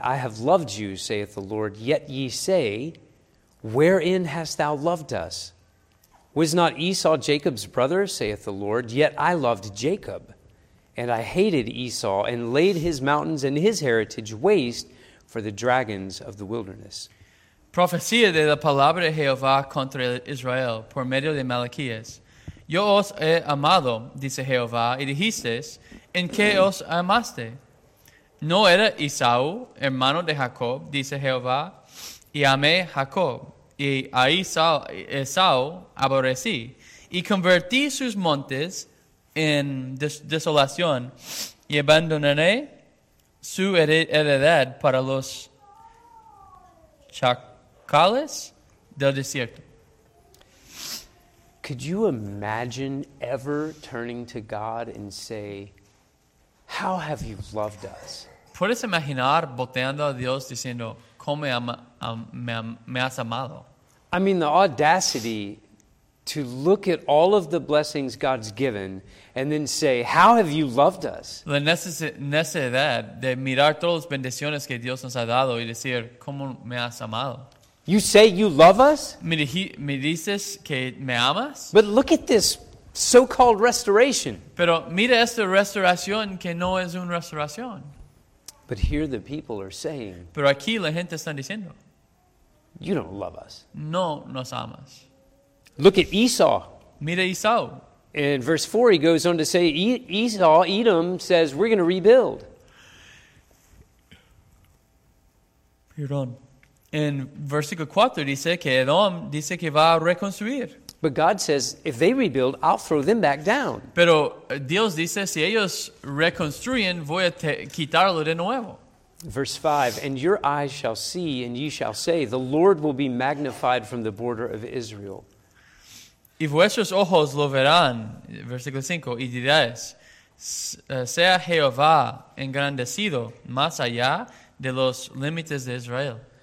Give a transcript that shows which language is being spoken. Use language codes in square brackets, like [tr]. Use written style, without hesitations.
[en] I have loved you, saith the Lord, yet ye say, wherein hast thou loved us? Was not Esau Jacob's brother, saith the Lord, yet I loved Jacob. And I hated Esau and laid his mountains and his heritage waste for the dragons of the wilderness. [es] Profecía de la palabra de Jehová contra Israel por medio de Malaquías. Yo os he amado, dice Jehová, y dijisteis, ¿en qué os amaste? ¿No era Esaú, hermano de Jacob, dice Jehová, y amé Jacob, y a Esaú aborrecí, y convertí sus montes en desolación, y abandoné su heredad para los chacales? Del desierto. [en] Could you imagine ever turning to God and say, how have you loved us? [es] ¿Puedes imaginar volteando a Dios diciendo, cómo me has amado? [en] I mean, the audacity to look at all of the blessings God's given and then say, how have you loved us? [es] La necesidad de mirar todas las bendiciones que Dios nos ha dado y decir, cómo me has amado. [en] You say you love us? [es] Me dices que me amas? [en] But look at this so-called restoration. [es] Pero mira esta restauración que no es una restauración. [en] But here the people are saying. [es] Pero aquí la gente está diciendo. [en] You don't love us. [es] No nos amas. [en] Look at Esau. [es] Mira Esau. [en] In verse 4 he goes on to say Esau, Edom, says we're going to rebuild. [es] Perdón. In versículo 4 dice que Edom dice que va a reconstruir. [en] But God says, if they rebuild, I'll throw them back down. [es] Pero Dios dice, si ellos reconstruyen, voy a quitarlo de nuevo. [en] Verse 5, and your eyes shall see, and ye shall say, the Lord will be magnified from the border of Israel. [es] Y vuestros ojos lo verán, versículo 5, y diréis, sea Jehová engrandecido más allá de los límites de Israel.